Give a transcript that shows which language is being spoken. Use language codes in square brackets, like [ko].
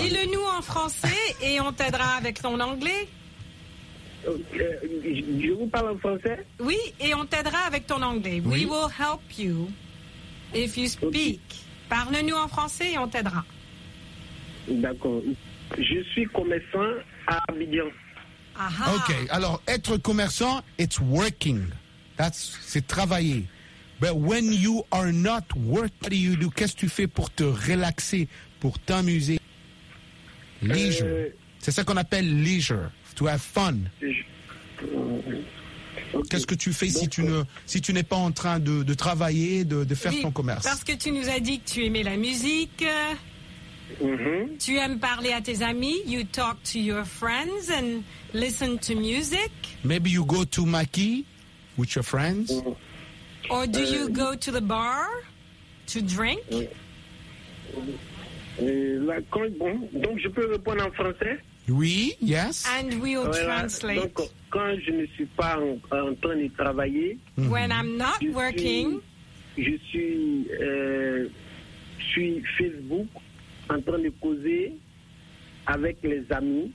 [fr] Dis-le nous en français et on t'aidera avec ton anglais. Je vous parle en français? Oui, et on t'aidera avec ton anglais. Oui. [en] We will help you if you speak. Okay. [fr] Parle-nous en français et on t'aidera. D'accord. Je suis commerçant à Abidjan. Aha. OK. Alors, être commerçant, [en] it's working. That's, [fr] c'est travailler. [en] But when you are not working, what do you do? [fr] Qu'est-ce que tu fais pour te relaxer, pour t'amuser? Leisure. C'est ça qu'on appelle leisure. [en] To have fun. Okay. [fr] Qu'est-ce que tu fais si tu, ne, si tu n'es pas en train de travailler, de faire oui, ton commerce? Parce que tu nous as dit que tu aimais la musique. Mm-hmm. Tu aimes parler à tes amis. [en] You talk to your friends and listen to music. Maybe you go to Maki with your friends. Mm-hmm. Or do you go to the bar to drink? [fr] Donc je peux répondre en français? Oui, [en] yes. And we'll translate. [fr] Donc, quand je ne suis pas en train de travailler, [en] mm-hmm. when I'm not working, [fr] je suis Facebook en train de causer avec les amis